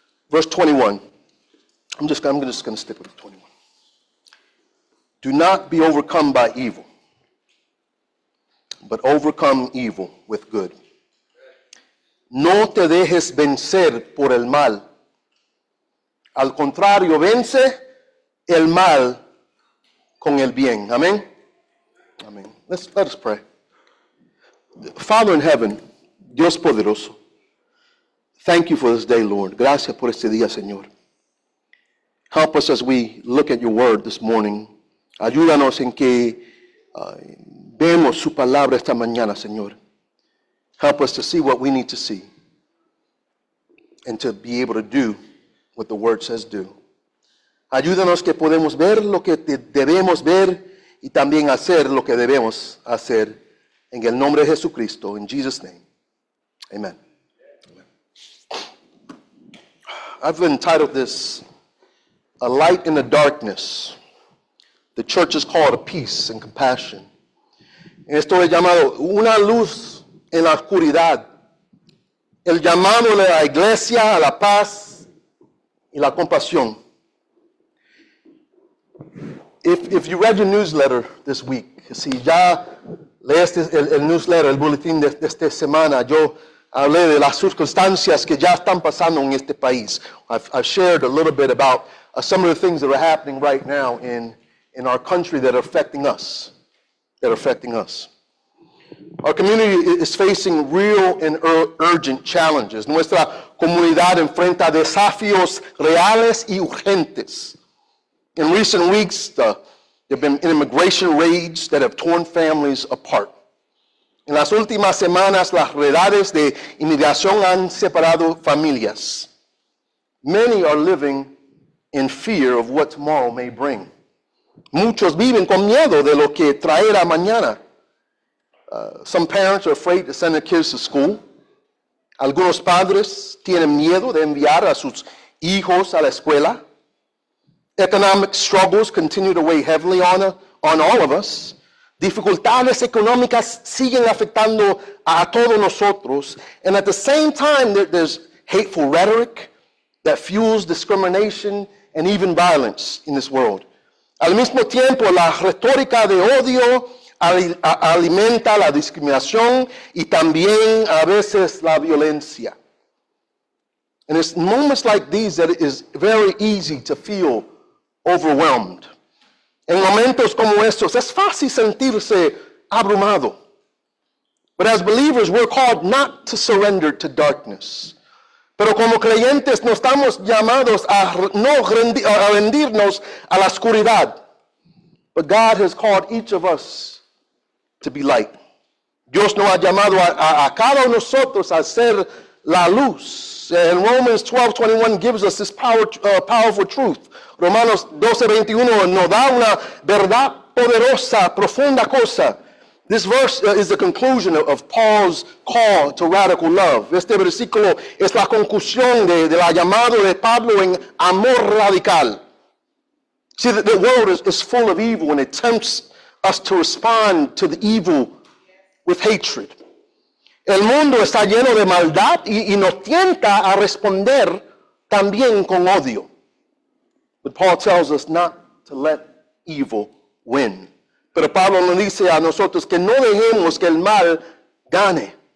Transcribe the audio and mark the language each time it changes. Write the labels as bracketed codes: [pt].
[en] Verse 21. I'm just going to stick with 21. Do not be overcome by evil, but overcome evil with good. [es] No te dejes vencer por el mal. Al contrario, vence el mal con el bien. [en] Amén. Amén. Let us pray. Father in heaven, [es] Dios poderoso, [en] thank you for this day, Lord. [es] Gracias por este día, Señor. [en] Help us as we look at your word this morning. [es] Ayúdanos en que vemos su palabra esta mañana, Señor. [en] Help us to see what we need to see and to be able to do what the word says do. [es] Ayúdanos que podemos ver lo que debemos ver y también hacer lo que debemos hacer en el nombre de Jesucristo, [en] in Jesus' name. Amen. I've entitled this, A Light in the Darkness. The church is called Peace and Compassion. [es] Esto es llamado Una Luz en la Oscuridad. El llamado de la iglesia a la paz y la compasión. [en] If you read your newsletter this week, [es] si ya leíste el newsletter, el boletín de esta semana, yo hablé de las circunstancias que ya están pasando en este país. [en] I've shared a little bit about some of the things that are happening right now in our country that are affecting us. That are affecting us. Our community is facing real and urgent challenges. [es] Nuestra comunidad enfrenta desafíos reales y urgentes. [en] In recent weeks, there have been immigration raids that have torn families apart. [es] En las últimas semanas, las redadas de inmigración han separado familias. [en] Many are living in fear of what tomorrow may bring. [es] Muchos viven con miedo de lo que traerá mañana. [en] Some parents are afraid to send their kids to school. [es] Algunos padres tienen miedo de enviar a sus hijos a la escuela. [en] Economic struggles continue to weigh heavily on all of us. [es] Dificultades económicas siguen afectando a todos nosotros. [en] And at the same time, there's hateful rhetoric that fuels discrimination and even violence in this world. [es] Al mismo tiempo, la retórica de odio alimenta la discriminación y también a veces la violencia. [en] And it's moments like these that it is very easy to feel overwhelmed. [es] En momentos como estos, es fácil sentirse abrumado. [en] But as believers, we're called not to surrender to darkness. [es] Pero como creyentes, no estamos llamados a no rendirnos a la oscuridad. [en] But God has called each of us to be light. [es] Dios nos ha llamado a cada uno de nosotros a ser la luz. [en] And Romans 12:21 gives us this powerful truth. [es] Romanos 12:21 nos da una verdad poderosa, profunda cosa. [en] This verse is the conclusion of Paul's call to radical love. [es] Este versículo es la conclusión de la llamada de Pablo en amor radical. [en] See, the world is full of evil and it tempts us to respond to the evil with hatred. [es] El mundo está lleno de maldad y nos tienta a responder también con odio. [en] But Paul tells us not to let evil win. [es] Pero Pablo nos dice a nosotros que no dejemos que el mal gane.